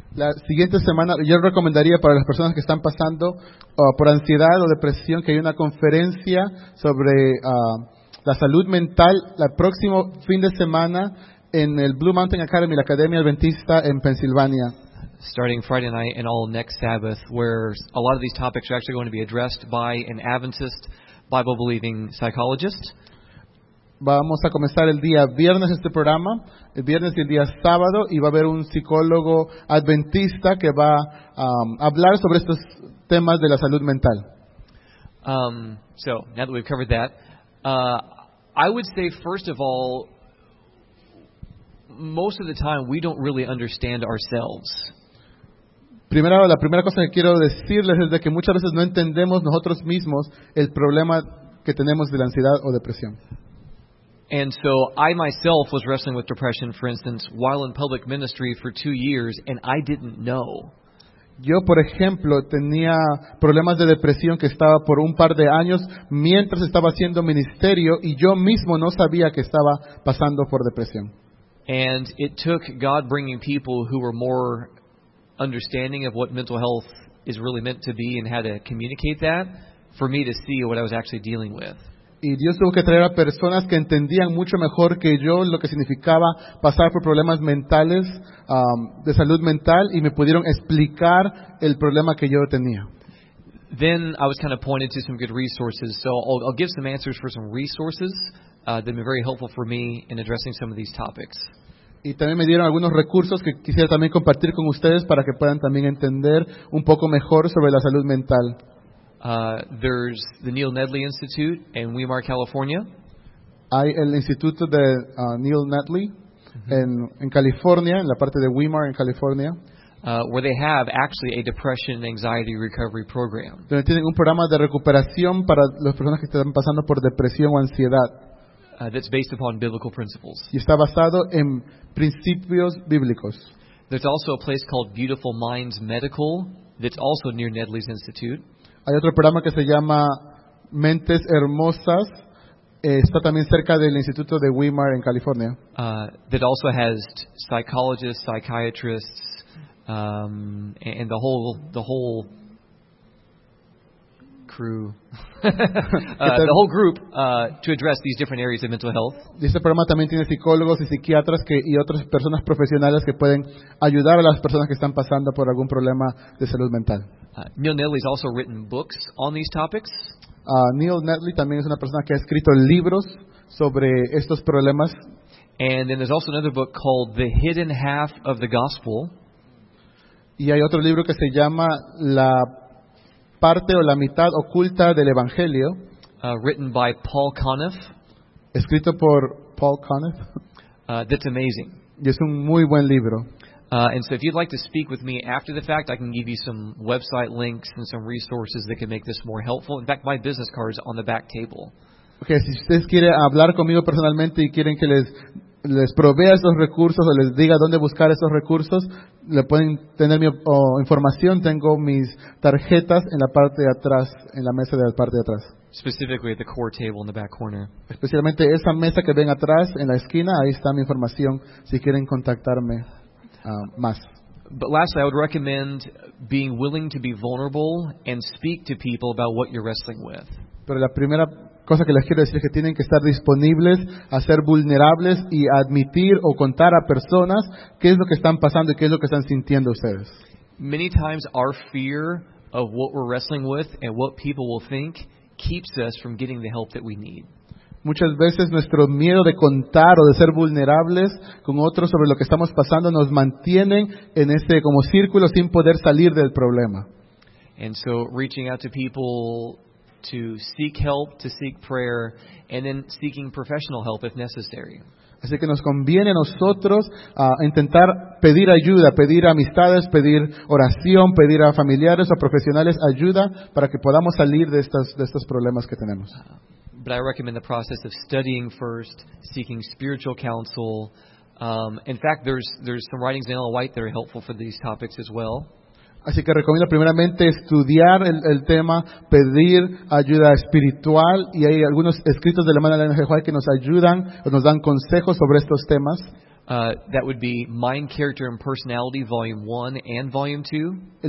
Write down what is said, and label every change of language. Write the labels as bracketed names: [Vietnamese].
[Spanish] La siguiente semana, yo recomendaría para las personas que están pasando por ansiedad o depresión que hay una conferencia sobre la salud mental el próximo fin de semana en el Blue Mountain Academy, la Academia Adventista en Pensilvania. [English] Starting Friday night and all next Sabbath, where a lot of these topics are actually going to be addressed by an Adventist Bible-believing psychologist. [Spanish] Vamos a comenzar el día viernes este programa, el viernes y el día sábado, y va a haber un psicólogo adventista que va a hablar sobre estos temas de la salud mental. [English] So, now that we've covered that, I would say, first of all, most of the time we don't really understand ourselves. [Spanish] La primera cosa que quiero decirles es de que muchas veces no entendemos nosotros mismos el problema que tenemos de la ansiedad o depresión. [English] And so I myself was wrestling with depression, for instance, while in public ministry for 2 years, and I didn't know. [Spanish] Yo, por ejemplo, tenía problemas de depresión que estaba por un par de años mientras estaba haciendo ministerio, y yo mismo no sabía que estaba pasando por depresión. [English] And it took God bringing people who were more understanding of what mental health is really meant to be and how to communicate that for me to see what I was actually dealing with. [Spanish] Y Dios tuvo que traer a personas que entendían mucho mejor que yo lo que significaba pasar por problemas mentales, de salud mental, y me pudieron explicar el problema que yo tenía. [English] Then I was kind of pointed to some good resources, so I'll give some answers for some resources that have been very helpful for me in addressing some of these topics. [Spanish] Y también me dieron algunos recursos que quisiera también compartir con ustedes para que puedan también entender un poco mejor sobre la salud mental. [English] There's the Neil Nedley Institute in Weimar, California. [Spanish] Hay el Instituto de Neil Nedley en California, en la parte de Weimar, en California. [English] Where they have actually a depression and anxiety recovery program. [Spanish] Donde tienen un programa de recuperación para las personas que están pasando por depresión o ansiedad. [English] That's based upon biblical principles. [Spanish] Y está basado en principios bíblicos. [English] There's also a place called Beautiful Minds Medical that's also near Nedley's Institute. [Spanish] Hay otro programa que se llama Mentes Hermosas. Está también cerca del Instituto de Weimar en California. [English] That also has psychologists, psychiatrists, and the whole crew, the whole group to address these different areas of mental health. [Spanish] Este programa también tiene psicólogos y psiquiatras y otras personas profesionales que pueden ayudar a las personas que están pasando por algún problema de salud mental. [English] Neil Nedley has also written books on these topics. [Spanish] Neil Nedley también es una persona que ha escrito libros sobre estos problemas. [English] And then there's also another book called The Hidden Half of the Gospel. [Spanish] Y hay otro libro que se llama La Parte o la Mitad Oculta del Evangelio. [English] Written by Paul Conniff. [Spanish] Escrito por Paul Conniff. [English] That's amazing. [Spanish] Y es un muy buen libro. [English] And so if you'd like to speak with me after the fact, I can give you some website links and some resources that can make this more helpful. In fact, my business card is on the back table. [Spanish] Okay, si ustedes quieren hablar conmigo personalmente y quieren que les les provea esos recursos o les diga dónde buscar esos recursos, le pueden tener mi información. Tengo mis tarjetas en la parte de atrás, en la mesa de la parte de atrás. [English] Specifically at the core table in the back corner. [Spanish] Especialmente esa mesa que ven atrás en la esquina, ahí está mi información si quieren contactarme más. [English] But lastly, I would recommend being willing to be vulnerable and speak to people about what you're wrestling with. [Spanish] Pero la primera cosa que les quiero decir es que tienen que estar disponibles a ser vulnerables y admitir o contar a personas qué es lo que están pasando y qué es lo que están sintiendo ustedes. [English] Many times our fear of what we're wrestling with and what people will think keeps us from getting the help that we need. [Spanish] Muchas veces nuestro miedo de contar o de ser vulnerables con otros sobre lo que estamos pasando nos mantienen en este como círculo sin poder salir del problema. [English] And so reaching out to people to seek help, to seek prayer, and then seeking professional help if necessary. [Spanish] Así que nos conviene a nosotros intentar pedir ayuda, pedir amistades, pedir oración, pedir a familiares o profesionales ayuda para que podamos salir de estos problemas que tenemos. [English] But I recommend the process of studying first, seeking spiritual counsel. In fact, there's some writings in Ellen White that are helpful for these topics as well. [Spanish] Así que recomiendo primeramente estudiar el tema, pedir ayuda espiritual, y hay algunos escritos de la hermana Ellen G. White que nos ayudan o nos dan consejos sobre estos temas. [English] That would be Mind, Character, and Personality, Volume 1 and Volume 2.